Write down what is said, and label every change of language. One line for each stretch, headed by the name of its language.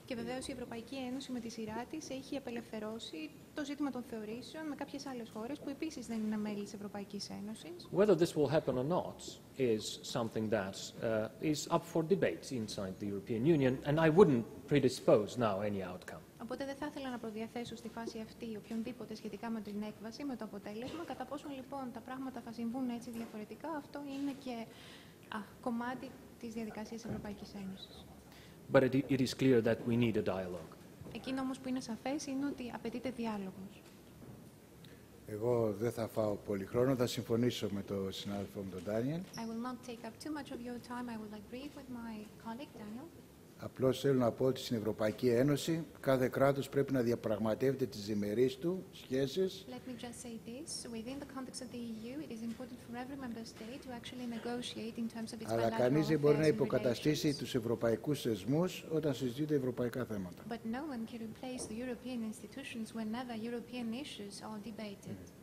Greek: Και βεβαίως η Ευρωπαϊκή Ένωση με τη σειρά της έχει απελευθερώσει το ζήτημα των θεωρήσεων με κάποιες άλλες χώρες που επίσης δεν είναι μέλη της Ευρωπαϊκής Ένωσης.
English: Whether this will happen or not is something that is up for debate inside the European Union, and I wouldn't predispose now any outcome.
Greek: Οπότε δεν θα ήθελα να προδιαθέσω στη φάση αυτή οποιονδήποτε σχετικά με την έκβαση, με το αποτέλεσμα. Κατά πόσο λοιπόν τα πράγματα θα συμβούν έτσι διαφορετικά, αυτό είναι και κομμάτι της διαδικασίας Ευρωπαϊκής Ένωσης.
English: But it is clear that we need a dialogue.
Greek: Εκείνο όμως που είναι σαφές είναι ότι απαιτείται διάλογος. Εγώ δεν θα φάω πολύ χρόνο, θα συμφωνήσω με τον συνάδελφο μου τον Ντάνιελ.
English: I will not take up too much of your time. I will agree with my colleague Daniel.
Greek: Απλώς θέλω να πω ότι στην Ευρωπαϊκή Ένωση κάθε κράτος πρέπει να διαπραγματεύεται τις διμερείς του σχέσεις.
English: Let me just say this. Within the context of the EU, it is important for every member state to actually negotiate in terms of its
Greek: Αλλά κανείς δεν μπορεί να υποκαταστήσει τους ευρωπαϊκούς θεσμούς όταν συζητούνται ευρωπαϊκά θέματα.
English: But no one can replace the European institutions whenever European issues are debated.